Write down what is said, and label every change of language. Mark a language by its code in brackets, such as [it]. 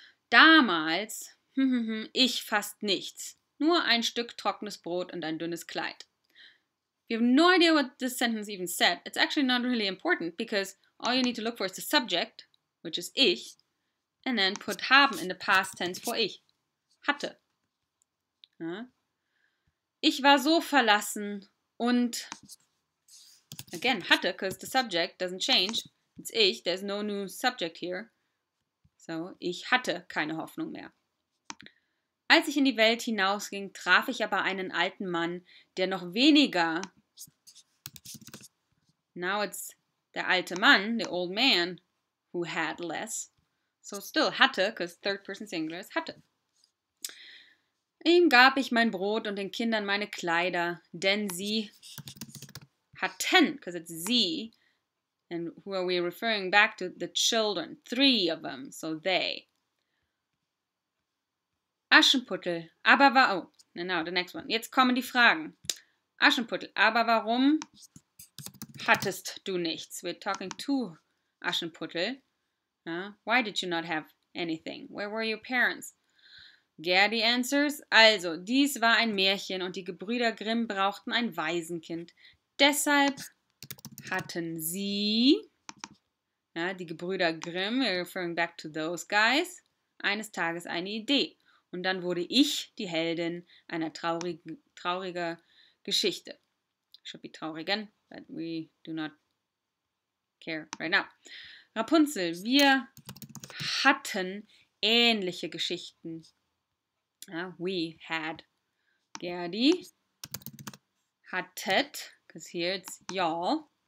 [de] Damals, ich fast nichts, nur ein Stück trockenes Brot und ein dünnes Kleid. [en] We have no idea what this sentence even said. It's actually not really important because all you need to look for is the subject, which is ich, and then put haben in the past tense for ich, hatte. [de] Ich war so verlassen und [en] again, [de] hatte, [en] because the subject doesn't change. It's ich, there's no new subject here. So, [de] ich hatte keine Hoffnung mehr. Als ich in die Welt hinausging, traf ich aber einen alten Mann, der noch weniger. [en] Now it's [de] der alte Mann, [en] the old man, who had less. So, still hatte, because third person singular is hatte. [de] Ihm gab ich mein Brot und den Kindern meine Kleider, denn sie hatten, [en] because it's sie, and who are we referring back to? The children, three of them, so they. [de] Aschenputtel, aber war, oh, genau, [en] the next one. [de] Jetzt kommen die Fragen. Aschenputtel, aber warum hattest du nichts? [en] We're talking to Aschenputtel. Why did you not have anything? Where were your parents? [de] Gerdi [en] answers, [de] also, dies war ein Märchen und die Gebrüder Grimm brauchten ein Waisenkind. Deshalb hatten sie, ja, die Gebrüder Grimm, [en] we're referring back to those guys, [de] eines Tages eine Idee. Und dann wurde ich die Heldin einer traurigen Geschichte. [en] Should be traurigen, but we do not care right now. [de] Rapunzel, wir hatten ähnliche Geschichten. [en] We had. Gerdi hattet, because here it's y'all.